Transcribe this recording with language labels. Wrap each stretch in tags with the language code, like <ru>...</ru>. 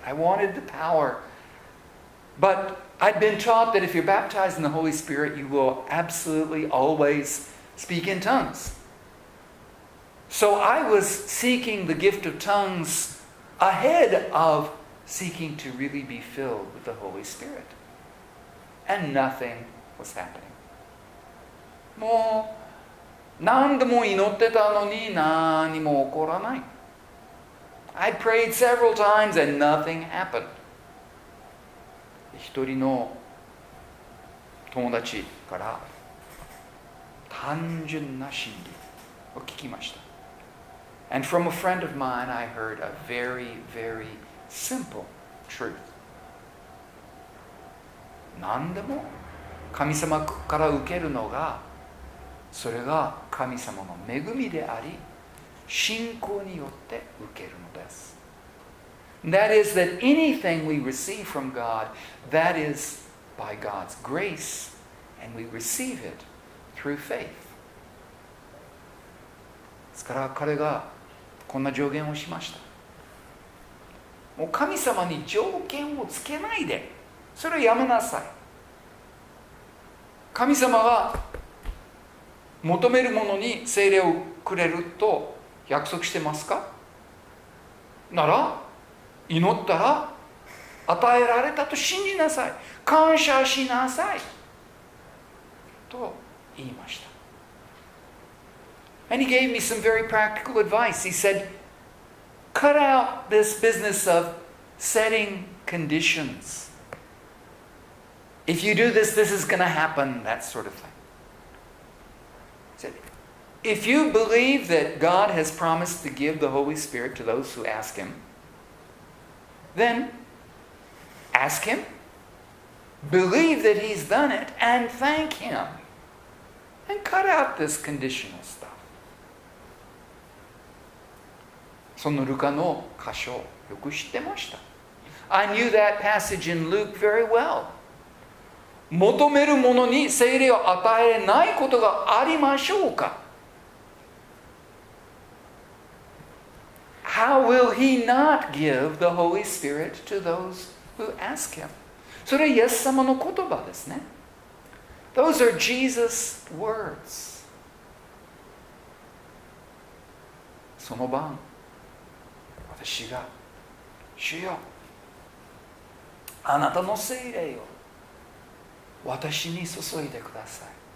<en>I wanted the power. But I'd been taught that if you're baptized in the Holy Spirit, you will absolutely always speak in tongues. So I was seeking the gift of tongues ahead of seeking to really be filled with the Holy Spirit. And nothing was happening.</en> <ja>もう何度も祈ってたのに何も起こらない。</ja> <en>I prayed several times and nothing happened.</en> <ja>一人の友達から単純な真理を聞きました。</ja> <en>And from a friend of mine, I heard a very, very simple truth.</en> <ja>何でも神様から受けるのが、それが神様の恵みであり、信仰によって受けるのです。</ja> <en>That is that anything we receive from God, that is by God's grace, and we receive it through faith.</en> <ja>ですから彼がこんな条件をしました。もう神様に条件をつけないで、それをやめなさい。神様は求めるものに聖霊をくれると約束してますか？なら祈ったら与えられたと信じなさい、感謝しなさいと言いました。</ja> <en>And he gave me some very practical advice. He said, cut out this business of setting conditions. If you do this, this is going to happen, that sort of thing. He said,If you believe that God has promised to give the Holy Spirit to those who ask Him, then ask Him, believe that He's done it, and thank Him, and cut out this conditional stuff.</en> <ja>そのルカの箇所よく知ってました。</ja> <en>I knew that passage in Luke very well.</en> <ja>求めるものに聖霊を与えないことがありましょうか。</ja> <en>How will he not give the Holy Spirit to those who ask him?</en> <ja>それはイエス様の言葉ですね。</ja> <en>Those are Jesus' words.</en> <ja>その晩、私が、主よ、あなたの聖霊を私に注いでください。</ja>